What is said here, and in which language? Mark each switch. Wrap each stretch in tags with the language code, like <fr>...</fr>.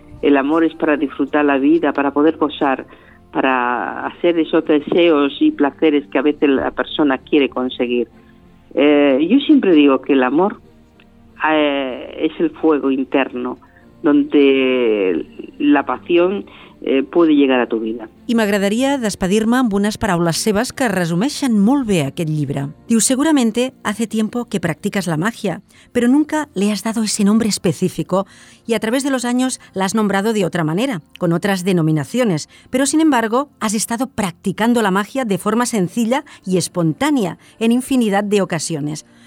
<es>El amor es para disfrutar la vida, para poder gozar, para hacer esos deseos y placeres que a veces la persona quiere conseguir. Yo siempre digo que el amor es el fuego interno donde la pasión puede llegar a tu vida.</es> <ca>I m'agradaria despedir-me amb unes paraules seves que resumeixen molt bé aquest llibre. Diu,</ca> <es>seguramente hace tiempo que practicas la magia, pero nunca le has dado ese nombre específico y a través de los años la has nombrado de otra manera, con otras denominaciones, pero sin embargo has estado practicando la magia de forma sencilla y espontánea en infinidad de ocasiones.</es>